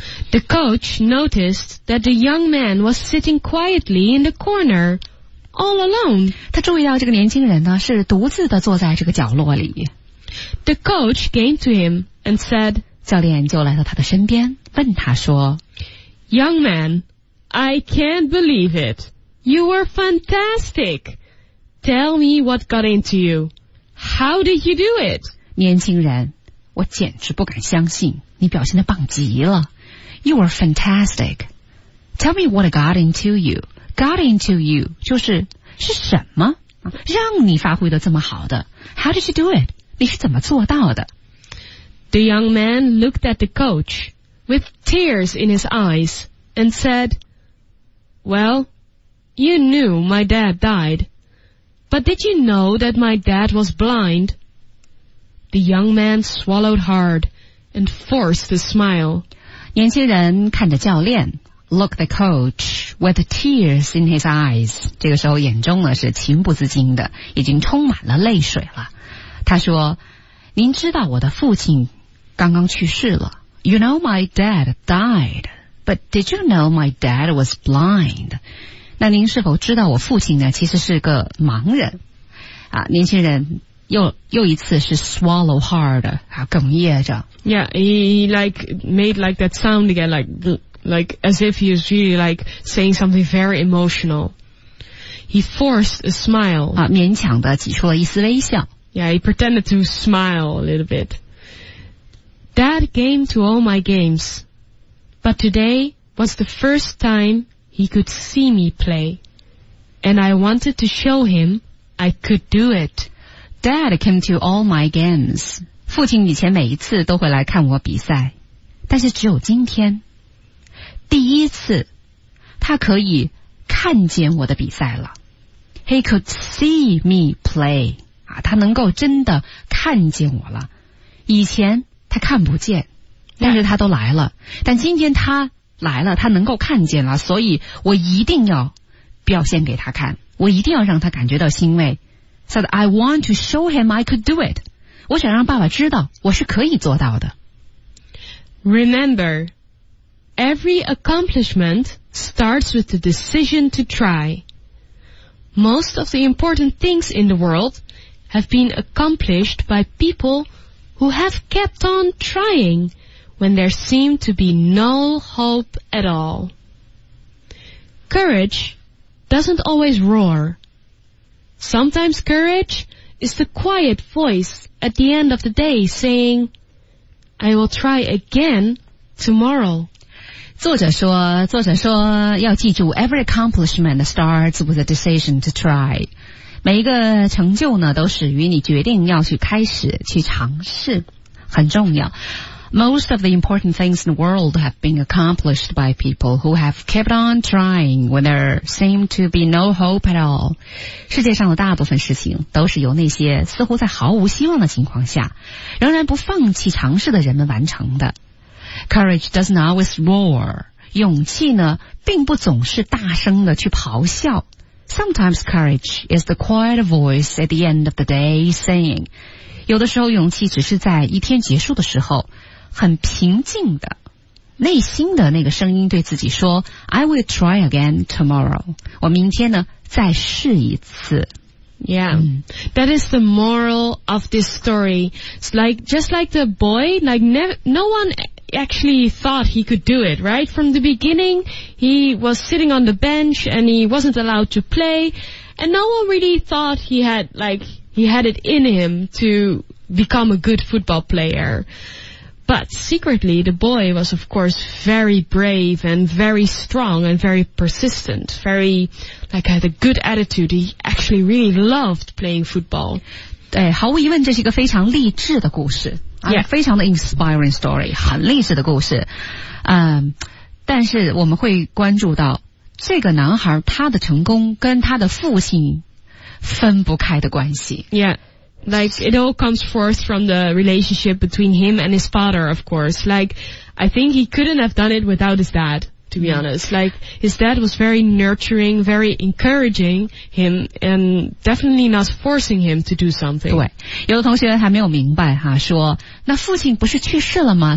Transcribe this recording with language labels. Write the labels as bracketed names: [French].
[English] The coach noticed that the young man was sitting quietly in the corner, all alone. [Chinese] 他注意到这个年轻人呢是独自的坐在这个角落里。 [English] The coach came to him and said, [Chinese] 教练就来到他的身边问他说 [English] Young man, I can't believe it. You were fantastic. Tell me what got into you. How did you do it? [Chinese] 年轻人，我简直不敢相信，你表现得棒极了。 [English] You were fantastic. Tell me what got into you. Got into you [Chinese] 就是是什么让你发挥得这么好的。 [English] How did you do it? [Chinese] 你是怎么做到的？ [English] The young man looked at the coach with tears in his eyes and said, Well, you knew my dad died, but did you know that my dad was blind? The young man swallowed hard and forced a smile. [Chinese] 年轻人看着教练 [English] looked the coach with tears in his eyes. [Chinese] 这个时候眼中呢是情不自禁的，已经充满了泪水了。他说，您知道我的父亲刚刚去世了。 [English] You know my dad died, but did you know my dad was blind? [Chinese] 那您是否知道我父亲呢其实是个盲人啊，年轻人又一次是 [English] swallow hard, [Chinese] 啊，哽咽着。 [English] Yeah, he like made like that sound again, like as if he was really like saying something very emotional. He forced a smile. [Chinese] 啊，勉强的挤出了一丝微笑。 [English] Yeah, he pretended to smile a little bit. Dad came to all my games, but today was the first time he could see me play, and I wanted to show him I could do it. Dad came to all my games. [Chinese] 父亲以前每一次都会来看我比赛，但是只有今天，第一次，他可以看见我的比赛了。 [English] He could see me play. [Chinese] 啊，他能够真的看见我了。以前他看不见，但是他都来了。 [English] Yeah. [Chinese] 但今天他来了，他能够看见了，所以我一定要表现给他看，我一定要让他感觉到欣慰。 [English] So that I want to show him I could do it. [Chinese] 我想让爸爸知道我是可以做到的。 [English] Remember, every accomplishment starts with the decision to try. Most of the important things in the world have been accomplished by people. Who have kept on trying when there seemed to be no hope at all. Courage doesn't always roar. Sometimes courage is the quiet voice at the end of the day saying, I will try again tomorrow. [Chinese] 作者说要记住 [English] every accomplishment starts with a decision to try. [Chinese] 每一个成就呢都始于你决定要去开始去尝试，很重要。 [English] Most of the important things in the world have been accomplished by people who have kept on trying when there seemed to be no hope at all. [Chinese] 世界上的大部分事情都是由那些似乎在毫无希望的情况下仍然不放弃尝试的人们完成的。 [English] Courage doesn't always roar. [Chinese] 勇气呢并不总是大声的去咆哮。 [English] Sometimes courage is the quiet voice at the end of the day saying. [Chinese] 有的时候勇气只是在一天结束的时候很平静的内心的那个声音对自己说 [English] I will try again tomorrow. [Chinese] 我明天呢再试一次。 [English] Yeah, that is the moral of this story. It's like, just like the boy, like no one actually thought he could do it, right? From the beginning, he was sitting on the bench and he wasn't allowed to play. And no one really thought he had, like, he had it in him to become a good football player. But secretly, the boy was, of course, very brave and very strong and very persistent, very, like, had a good attitude. He actually really loved playing football. [Chinese] 对，毫无疑问，这是一个非常励志的故事， [English] yeah. [Chinese] 非常的 [English] inspiring story, [Chinese] 很励志的故事。但是我们会关注到这个男孩他的成功跟他的父亲分不开的关系。 [English] Yeah. Like, it all comes forth from the relationship between him and his father, of course. Like, I think he couldn't have done it without his dad, to be honest. Like, his dad was very nurturing, very encouraging him, and definitely not forcing him to do something. [Chinese] 对，有的同学还没有明白哈，说，那父亲不是去世了吗？